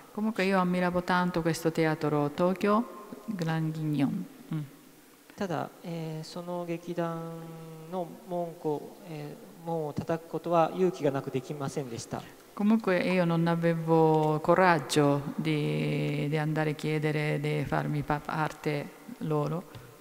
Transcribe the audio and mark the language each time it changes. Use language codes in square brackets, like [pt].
[it] comunque io ammiravo tanto questo teatro Tokyo Grand Guignol. [ja] ただその劇団の門を叩くことは勇気がなくできませんでした。 [it] Comunque io non avevo coraggio di andare a chiedere di farmi parte loro.